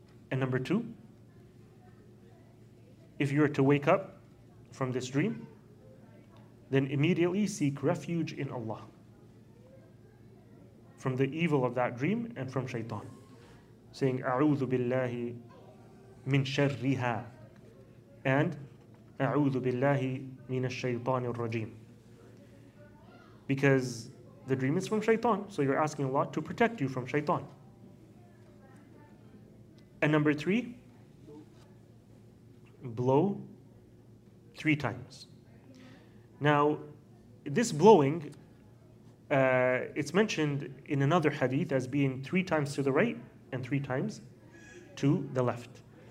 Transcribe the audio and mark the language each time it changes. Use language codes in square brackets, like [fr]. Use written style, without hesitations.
[en] And number two, if you are to wake up from this dream, then immediately seek refuge in Allah from the evil of that dream and from shaitan. Saying, [ar] أعوذ بالله من شرها. And أعوذ بالله من الشيطان الرجيم. [en] Because the dream is from shaitan, so you're asking Allah to protect you from shaitan. And number three, blow three times. Now, this blowing, it's mentioned in another hadith as being three times to the right and three times to the left.